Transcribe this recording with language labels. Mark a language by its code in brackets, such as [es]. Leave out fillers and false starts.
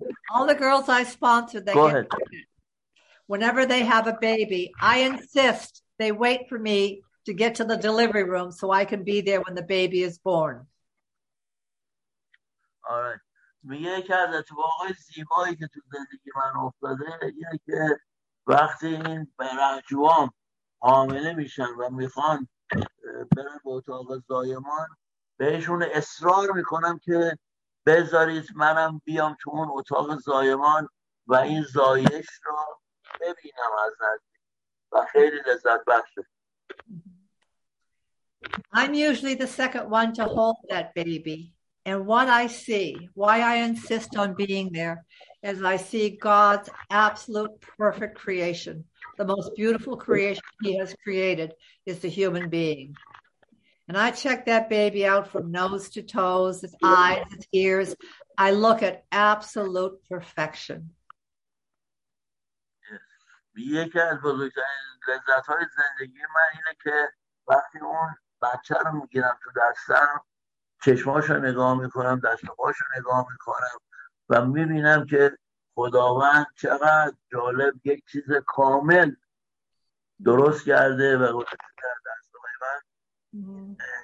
[en] All the girls I sponsor, they go ahead. Whenever they have a baby, I insist they wait for me to get to the delivery room so I can be there when the baby is born. All right. [fa] میگه یکی از اتفاقای زیبایی که تو زندگی من افتاده اینه که وقتی این برهجوام حامله میشن و میخوان برن به اتاق زایمان، بهشون اصرار میکنم که بذارید منم بیام تو اون اتاق زایمان و این زایش را ببینم از نزدیک و خیلی لذت بخشه. [en] I'm usually the second one to hold that baby. And what I see, why I insist on being there, is I see God's absolute perfect creation. The most beautiful creation he has created is the human being. And I check that baby out from nose to toes, its eyes, its ears. I look at absolute perfection. [fa] یکی از بزرگترین لذت‌های زندگی من اینه که وقتی اون بچه رو میگیرم تو دستم، چشماش رو نگاه میکنم، دستاش رو نگاه میکنم و میبینم که خداوند چقدر جالب یک چیز کامل درست کرده و گذاشته در دستای من.